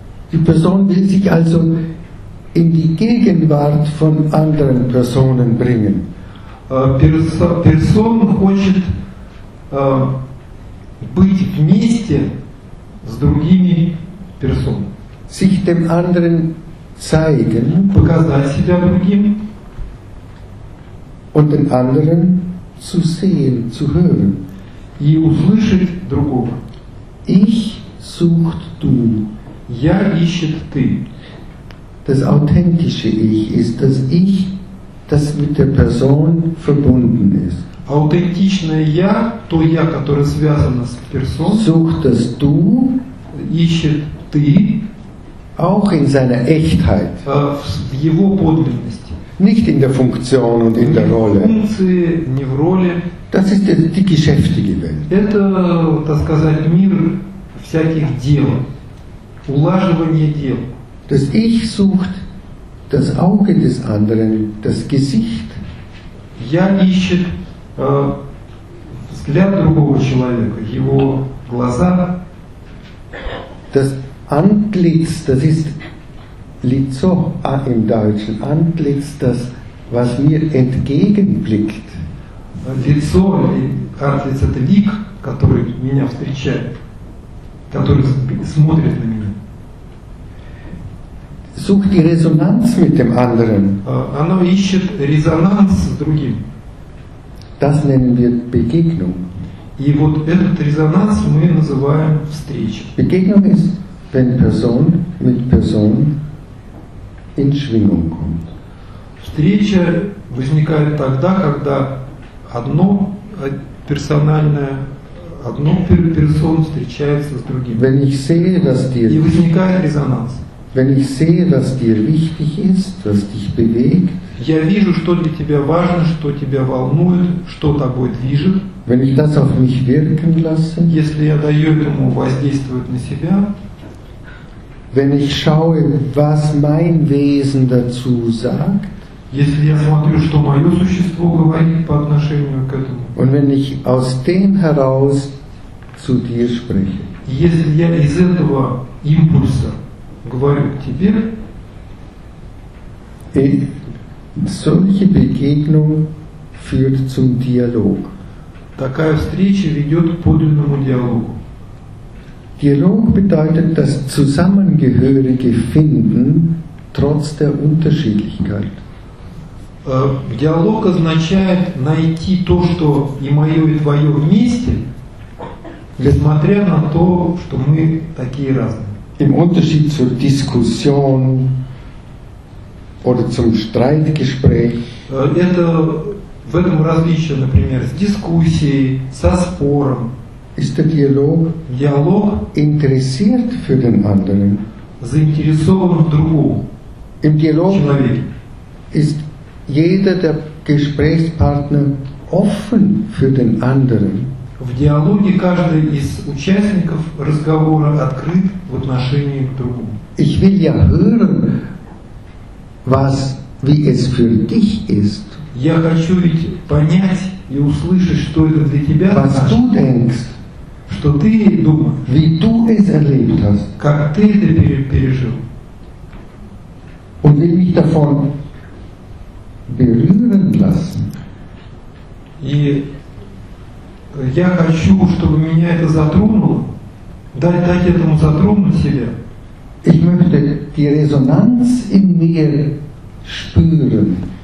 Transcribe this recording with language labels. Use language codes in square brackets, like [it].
[de] Die Person will sich also in die Gegenwart von anderen Personen bringen. [ru] Person хочет быть вместе с другими Personen. [de] Sich dem anderen zeigen. [ru] Показать себя другим. [de] Und den anderen zu sehen, zu hören. [ru] И услышать другого. [de] Ich sucht du. [ru] Я ищет ты. [de] Das authentische Ich ist das Ich, das mit der Person verbunden ist. Authentisches [ru] Я, то Я, которое связано с Person. [de] Sucht das Du, [ru] ищет ты, [de] auch in seiner Echtheit. [ru] В его подлинности. [de] Nicht in der Funktion und in der Rolle. [ru] Функции, не в роли. [de] Das ist die geschäftige Welt. [ru] Это, так сказать, мир всяких дел, улаживание дел. [de] Das Ich sucht das Auge des anderen, das Gesicht. [ru] Я ищет взгляд другого человека, его глаза. [de] Das Antlitz, das ist Lizo im Deutschen, Antlitz, das, was mir entgegenblickt. [ru] Лицо, Antlitz, это лик, который меня встречает, который смотрит на меня. [de] Sucht die Resonanz mit dem anderen. [ru] Оно ищет резонанс с другим. [de] Das nennen wir Begegnung. [ru] И вот этот резонанс мы называем встречей. [de] Begegnung ist, wenn Person mit Person in Schwingung kommt. [ru] Встреча возникает тогда, когда одно персональное одно персон встречается с другим. [de] Wenn ich sehe, dass dir [ru] и возникает резонанс. [de] Wenn ich sehe, was dir wichtig ist, was dich bewegt, [ru] я вижу, что для тебя важно, что тебя волнует, что тобой движет. [de] Wenn ich das auf mich wirken lasse, [ru] если я даю этому воздействовать на себя, [de] wenn ich schaue, was mein Wesen dazu sagt, [ru] если я смотрю, что мое существо говорит по отношению к этому, [de] und wenn ich aus dem heraus zu dir spreche, [ru] если я из этого импульса говорю тебе. И [de] solche Begegnung führt zum Dialog. [ru] Такая встреча ведет к подлинному диалогу. [de] Dialog bedeutet das zusammengehörige Finden trotz der Unterschiedlichkeit. [ru] Диалог означает найти то, что и мое, и твое вместе, несмотря на то, что мы такие разные. [de] Im Unterschied zur Diskussion oder zum Streitgespräch. [ru] Это в этом различие, например, с дискуссией, со спором. [de] Ist der Dialog, Dialog interessiert für den anderen? [ru] Заинтересован в другом. [de] Im Dialog ist jeder der Gesprächspartner offen für den anderen. [ru] В диалоге каждый из участников разговора открыт в отношении к другому. [de] Ich will ja hören, was, wie es für dich ist. [ru] Я хочу ведь понять и услышать, что это для тебя [de] was [ru] значит. [de] Du denkst, [ru] что ты думаешь. [de] Wie du es erlebt hast. [ru] Как ты это пережил. [de] Und will mich davon berühren lassen. [ru] И я хочу, чтобы меня это затронуло, дать этому затронуть себя. [de] Ich möchte die Resonanz in mir spüren.